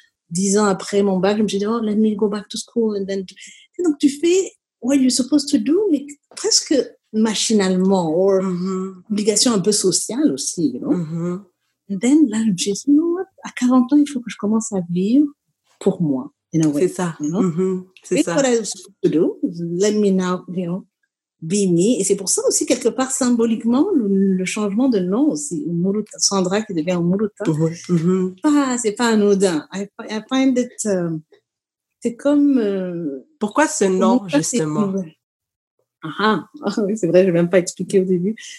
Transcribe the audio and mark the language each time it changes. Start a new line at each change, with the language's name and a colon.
French: 10 ans après mon bac, je me suis dit, oh,
English: let me go back to school. And then,
French: et donc, tu fais
English: what you're supposed to do,
French: mais presque machinalement, or obligation un peu sociale aussi,
English: you know? Mm-hmm. Then,
French: là, je me suis dit, non, à 40 ans, il faut que je commence à vivre pour moi,
English: in a way.
French: C'est ça.
English: You know? Mm-hmm.
French: C'est ça.
English: What I was supposed to do, let me now, you know, be me.
French: Et c'est pour ça aussi, quelque part, symboliquement, le changement de nom aussi, Umuruta, Sandra qui devient Umuruta. Mm-hmm. C'est pas anodin.
English: I find it...
French: C'est comme... Pourquoi ce nom, justement? Oui, c'est vrai, je n'ai même pas expliqué au début.